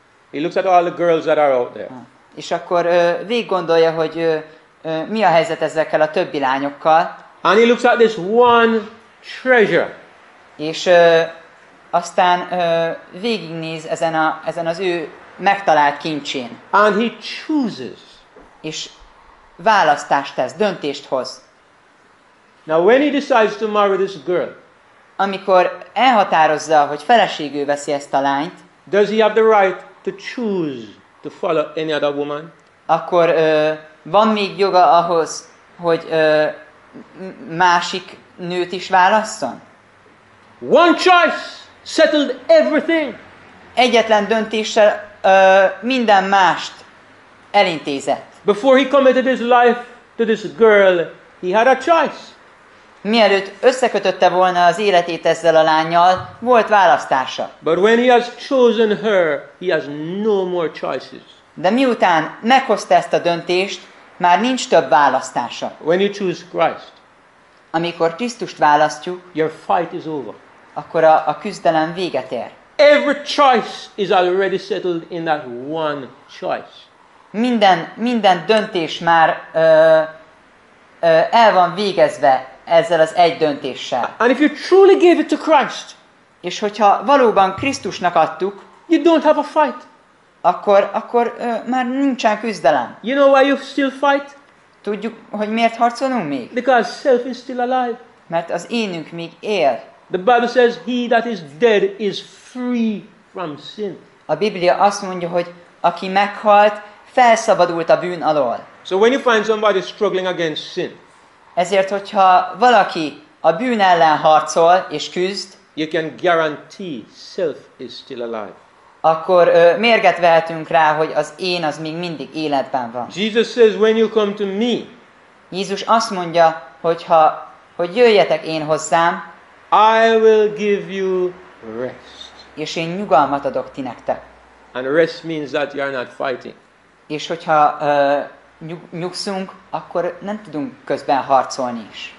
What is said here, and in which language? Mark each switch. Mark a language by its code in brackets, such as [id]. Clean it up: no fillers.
[en] He looks at all the girls that are out there. [hu] És akkor végig gondolja, hogy mi a helyzet ezekkel a többi lányokkal. [en] And he looks at this one treasure. [hu] És aztán végignéz ezen az ő megtalált kincsén. [en] And he chooses. [hu] És választást tesz, döntést hoz. [en] Now when he decides to marry this girl, [hu] amikor elhatározza, hogy feleségül veszi ezt a lányt, [en] does he have the right to choose to follow any other woman? [hu] Akkor van még joga ahhoz, hogy másik nőt is válasszon? [en] One choice settled everything. [hu] Egyetlen döntéssel minden mást elintézett. [en] Before he committed his life to this girl, he had a choice. [hu] Mielőtt összekötötte volna az életét ezzel a lányjal, volt választása. [en] But when he has chosen her, he has no more choices. [hu] De miután meghozta ezt a döntést, már nincs több választása. [en] When you choose Christ, [hu] amikor Krisztust választjuk, [en] your fight is over. [hu] Akkor a küzdelem véget ér. [en] Every choice is already settled in that one choice. [hu] Minden döntés már el van végezve ezzel az egy döntéssel. [en] And if you truly gave it to Christ, [hu] és hogyha valóban Krisztusnak adtuk, [en] you don't have a fight. [hu] Akkor már nincsen küzdelem. [en] You know why you still fight? [hu] Tudjuk, hogy miért harcolunk még? [en] Because self is still alive. [hu] Mert az énünk még él. [en] The Bible says he that is dead is free from sin. [hu] A Biblia azt mondja, hogy aki meghalt, felszabadult a bűn alól. [en] So when you find somebody struggling against sin, [hu] ezért, hogyha valaki a bűn ellen harcol és küzd, [en] You can guarantee self is still alive. [hu] Akkor mérget vehetünk rá, hogy az én az még mindig életben van. [en] Jesus says, when you come to me. [hu] Jézus azt mondja, hogy jöjjetek én hozzám. [en] I will give you rest. [hu] És én nyugalmat adok ti nektek. [en] And rest means that you are not fighting. [hu] És hogyha nyugszunk, akkor nem tudunk közben harcolni is.